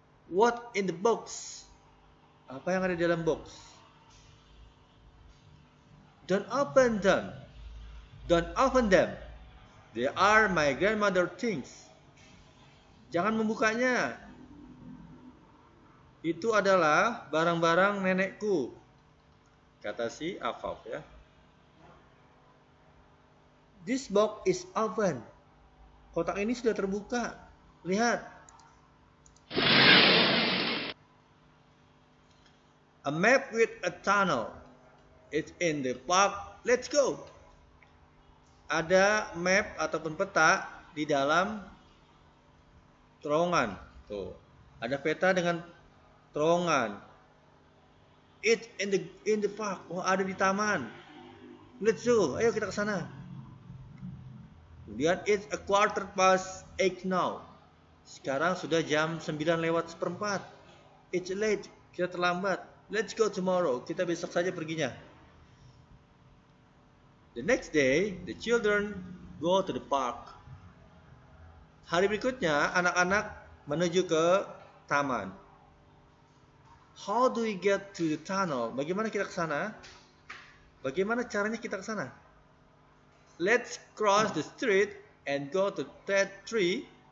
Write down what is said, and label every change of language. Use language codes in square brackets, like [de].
[en] What in the box? [id] Apa yang ada di dalam box? [en] Don't open them. Don't open them. They are my grandmother's things. [id] Jangan membukanya. Itu adalah barang-barang nenekku, kata si Afaf ya. [en] This box is open. [id] Kotak ini sudah terbuka. Lihat. [en] A map with a tunnel. It's in the park. Let's go. [id] Ada map ataupun peta di dalam terowongan. Tuh. Ada peta dengan terowongan. [en] It's in the park. [id] Oh, ada di taman. [en] Let's go. [id] Ayo kita ke sana. Kemudian [en] it's a quarter past eight now. [id] Sekarang sudah jam 9 lewat seperempat. [en] It's late. [id] Kita terlambat. [en] Let's go tomorrow. [id] Kita besok saja perginya. [en] The next day, the children go to the park. [id] Hari berikutnya, anak-anak menuju ke taman. [en] How do we get to the tunnel? [id] Bagaimana kita ke sana? Bagaimana caranya kita ke sana? [en] Let's cross the street and go to that tree.